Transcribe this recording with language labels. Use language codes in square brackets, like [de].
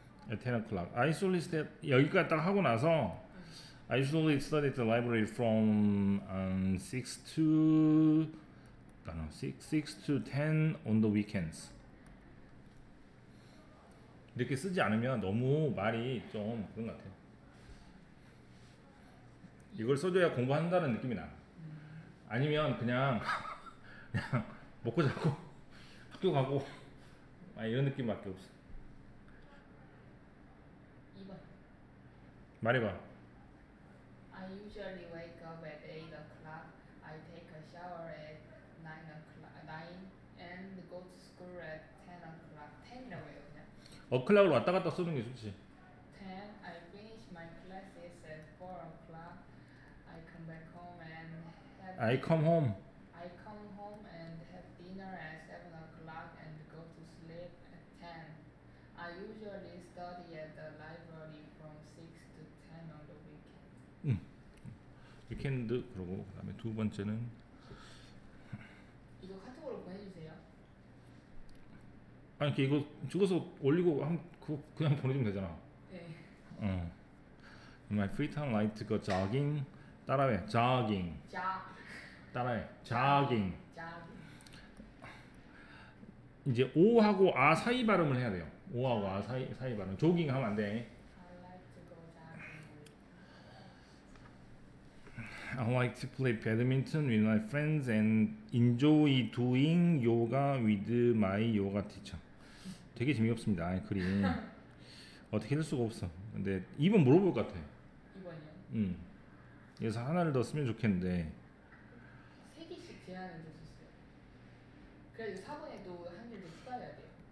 [en] At 10 o'clock. I usually stay, [ko] 여기까지 딱 하고 나서 [en] I usually study at the library from 6 to 10 on the weekends. [ko] 이렇게 쓰지 않으면 너무 말이 좀 그런 것 같아요. 이걸 써줘야 공부한다는 느낌이 나. 아니면 그냥 먹고 자고 학교 가고 이런 느낌밖에 없어. 2번 말해봐. [en] I usually wake up at 8 o'clock. I take a shower at 9 o'clock. 9 and go to school at 10 o'clock. [ko] 10이라고 해요. 어클락으로 왔다 갔다 쓰는 게 좋지. [en] 10. I finish my classes at 4 o'clock. I come back home and have I come home and have dinner at 7 o'clock and go to sleep at 10. I usually study at the library from 6 to 10 on the weekend. [ko] Weekend 그러고 그다음에 두 번째는 이거 카톡으로 보내주세요. 아니 그 이거 죽어서 올리고 한 그 그냥 보내주면 되잖아. 네. [en] 어. My free time like to go jogging. [ko] 따라해. [en] Jogging. [ko] 자. 따라해. Jogging. 자. 이제 O 하고 아 사이 발음을 해야 돼요. O 하고 아 사이 발음. 조깅 하면 안 돼. [en] I like to go jogging. I like to play badminton with my friends and enjoy doing yoga with my yoga teacher. [ko] 되게 재미없습니다. 아니, 글이 어떻게 될 수가 없어. 근데 2번 물어볼 것 같아. 2번이요? 응. 여기서 하나를 더 쓰면 좋겠는데 3개씩 제안을 줬었어요. 그래서 4번에도 한 개를 추가해야 돼요.